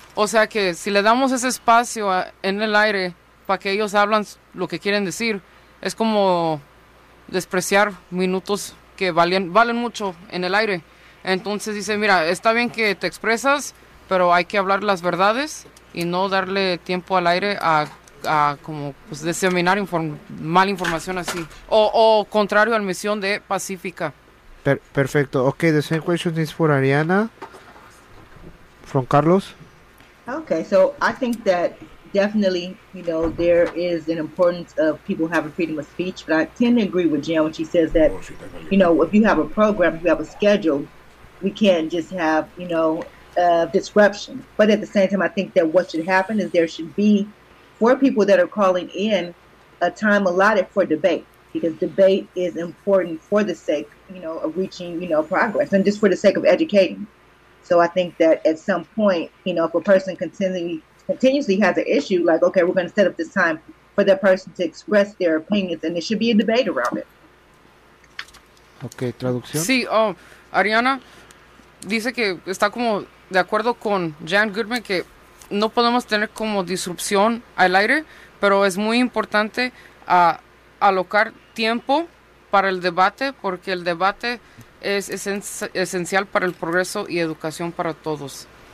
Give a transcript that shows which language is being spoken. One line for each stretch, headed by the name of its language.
Spanish: O sea que si le damos ese espacio en el aire para que ellos hablan lo que quieren decir, es como despreciar minutos que valen mucho en el aire. Entonces dice, mira, está bien que te expresas, pero hay que hablar las verdades y no darle tiempo al aire a como pues, diseminar mala información así. O contrario a la misión de Pacífica. Perfecto.
English: Okay, the same question is for Ariana from Carlos. Okay, so I think that definitely, you know, there is an importance of people having freedom of speech, but I tend to agree with Jan when she says that, you know, if you have a program, if you have a schedule, we can't just have, you know, disruption. But at the same time, I think that what should happen is there should be, for people that are calling in, a time allotted for debate, because debate is important for the sake, you know, of reaching, you know, progress, and just for the sake of educating. So I think that at some point, you know, if a person continuously has an issue, like, okay, we're going to set up this time for that person to express their opinions, and there should be a debate around it.
Spanish: Okay, traducción. Sí, Ariana dice que está como de acuerdo con Jan Goodman que no podemos tener como disrupción al aire, pero es muy importante alocar tiempo para el debate, porque el debate es esencial para el progreso y educación para todos.